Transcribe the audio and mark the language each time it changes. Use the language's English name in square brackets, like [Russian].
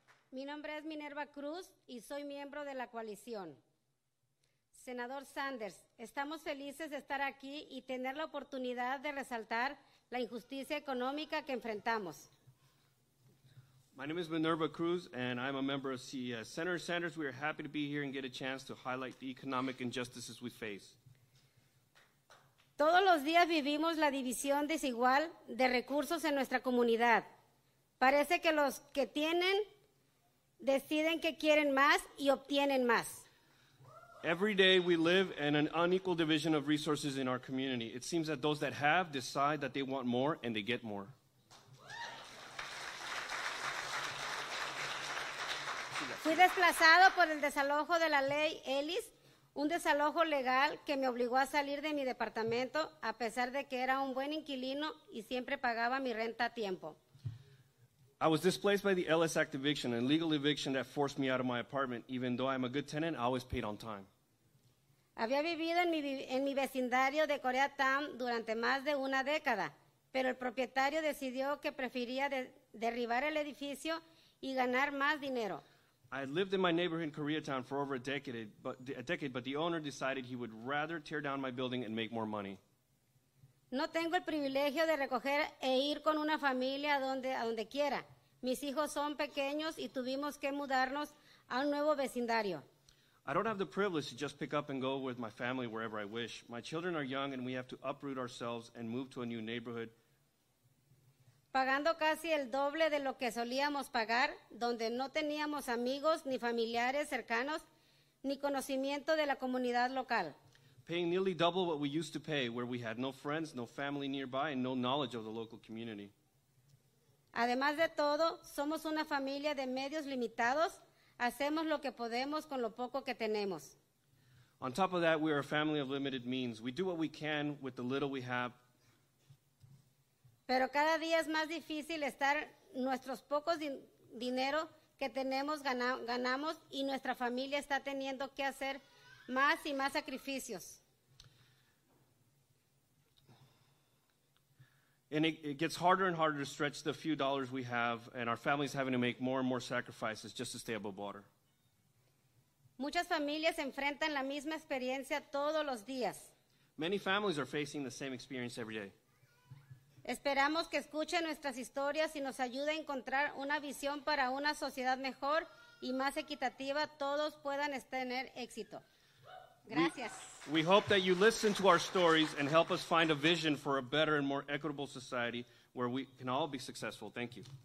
[Spanish] Mi nombre es Minerva Cruz y soy miembro de la coalición. Senador Sanders, estamos felices de estar aquí y tener la oportunidad de resaltar la injusticia económica que enfrentamos. [English] My name is Minerva Cruz and I'm a member of CES. Senator Sanders, we are happy to be here and get a chance to highlight the economic injustices we face. [Spanish] Todos los días vivimos la división desigual de recursos en nuestra comunidad. Parece que los que tienen deciden que quieren más y obtienen más. [English] Every day we live in an unequal division of resources in our community. It seems that those that have decide that they want more and they get more. [Spanish] Fui desplazado por el desalojo de la ley Ellis, un desalojo legal que me obligó a salir de mi departamento a pesar de que era un buen inquilino y siempre pagaba mi renta a tiempo. [English] I was displaced by the Ellis Act eviction, an illegal eviction that forced me out of my apartment. Even though I'm a good tenant, I always paid on time. [Spanish] Había vivido en mi vecindario de Koreatown durante más de una década, pero el propietario decidió que prefería derribar el edificio y ganar más dinero. [English] I had lived in my neighborhood in Koreatown for over a decade, but the owner decided he would rather tear down my building and make more money. [Spanish] No tengo el privilegio de recoger e ir con una familia a donde quiera. Mis hijos son pequeños y tuvimos que mudarnos a un nuevo vecindario. [English] I don't have the privilege to just pick up and go with my family wherever I wish. My children are young and we have to uproot ourselves and move to a new neighborhood. [Spanish] Pagando casi el doble de lo que solíamos pagar, donde no teníamos amigos ni familiares cercanos, ni conocimiento de la comunidad local. [English] Paying nearly double what we used to pay, where we had no friends, no family nearby, and no knowledge of the local community. [Spanish] Además de todo, somos una familia de medios limitados. Hacemos lo que podemos con lo poco que tenemos. [English] On top of that, we are a family of limited means. We do what we can with the little we have. [Spanish] Pero cada día es más difícil estar nuestros pocos dinero que tenemos ganamos y nuestra familia está teniendo que hacer más y más sacrificios. [English] And it gets harder and harder to stretch the few dollars we have, and our families having to make more and more sacrifices just to stay above water. [Spanish] Muchas familias enfrentan la misma experiencia todos los días. [English] Many families are facing the same experience every day. [Spanish] Esperamos que escuchen nuestras historias y nos ayude a encontrar una visión para una sociedad mejor y más equitativa. Todos puedan tener éxito. Gracias. [English] We hope that you listen to our stories and help us find a vision for a better and more equitable society where we can all be successful. Thank you.